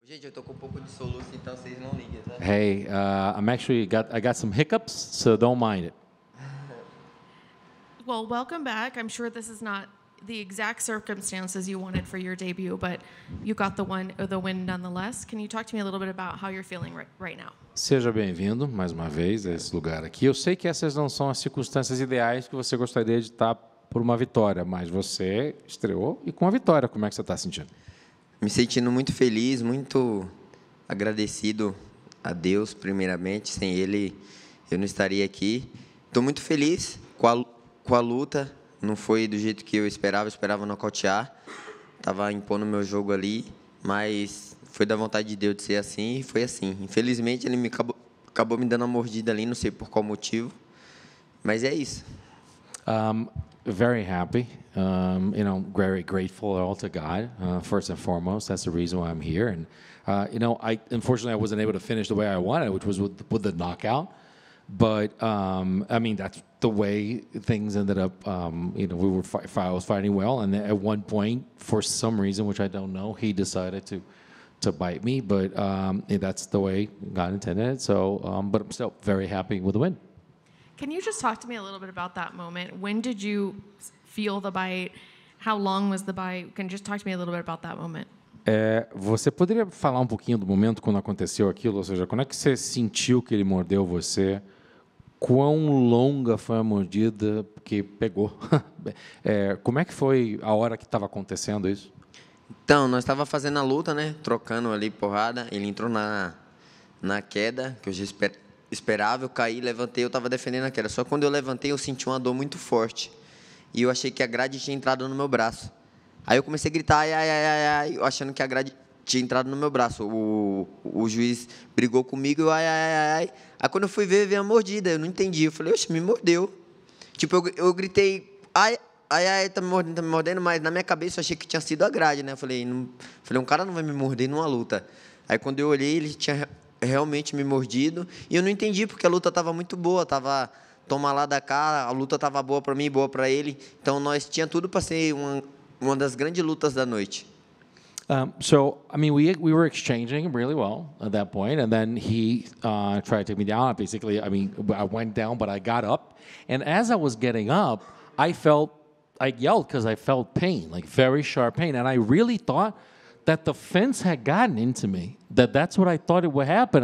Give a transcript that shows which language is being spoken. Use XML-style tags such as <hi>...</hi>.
<pt>Gente, eu tô com um pouco de soluço, então vocês não liguem, tá?</pt> <en>Hey, I'm actually got I got some hiccups, so don't mind it. Well, welcome back. I'm sure this is not the exact circumstances you wanted for your debut, but you got the win nonetheless. Can you talk to me a little bit about how you're feeling right now?</en> <pt>Seja bem-vindo mais uma vez a esse lugar aqui. Eu sei que essas não são as circunstâncias ideais que você gostaria de estar por uma vitória, mas você estreou e com a vitória, como é que você está sentindo? Me sentindo muito feliz, muito agradecido a Deus, primeiramente. Sem Ele, eu não estaria aqui. Estou muito feliz com a luta. Não foi do jeito que eu esperava. Eu esperava nocautear. Estava impondo meu jogo ali, mas foi da vontade de Deus de ser assim e foi assim. Infelizmente, ele acabou me dando uma mordida ali, não sei por qual motivo, mas é isso.</pt> <en>Very happy, you know, very grateful all to God, first and foremost. That's the reason why I'm here. And, you know, unfortunately, I wasn't able to finish the way I wanted, which was with the knockout. But, I mean, that's the way things ended up, you know, I was fighting well. And at one point, for some reason, which I don't know, he decided to bite me. But that's the way God intended it. But I'm still very happy with the win. Can you just talk to me a little bit about that moment? When did you feel the bite? How long was the bite? Can you just talk to me a little bit about that moment?</en> <pt>Você poderia falar um pouquinho do momento quando aconteceu aquilo? Ou seja, quando é que você sentiu que ele mordeu você? Quão longa foi a mordida que pegou? Como é que foi a hora que estava acontecendo isso? Então, nós estávamos fazendo a luta, né? Trocando ali porrada. Ele entrou na queda, que eu já esperava, eu caí, levantei, eu estava defendendo a queda. Só quando eu levantei, eu senti uma dor muito forte. E eu achei que a grade tinha entrado no meu braço. Aí eu comecei a gritar, ai, ai, ai, ai, ai, achando que a grade tinha entrado no meu braço. O juiz brigou comigo, eu, ai, ai, ai, ai. Aí quando eu fui ver, veio a mordida, eu não entendi. Eu falei, oxe, me mordeu. Tipo, eu gritei, ai, ai, ai, tá me mordendo, mas na minha cabeça eu achei que tinha sido a grade, né? Eu falei, não, falei, um cara não vai me morder numa luta. Aí quando eu olhei, ele tinha realmente me mordido, e eu não entendi porque a luta estava muito boa, estava toma lá da cá, a luta estava boa para mim, boa para ele, então nós tinha tudo para ser uma das grandes lutas da noite.</pt> <en>So, I mean, we were exchanging really well at that point, and then he tried to take me down. Basically, I mean, I went down, but I got up, and as I was getting up, I yelled because I felt pain, like very sharp pain, and I really thought that the fence had gotten into me, that's what I thought it would happen.</en>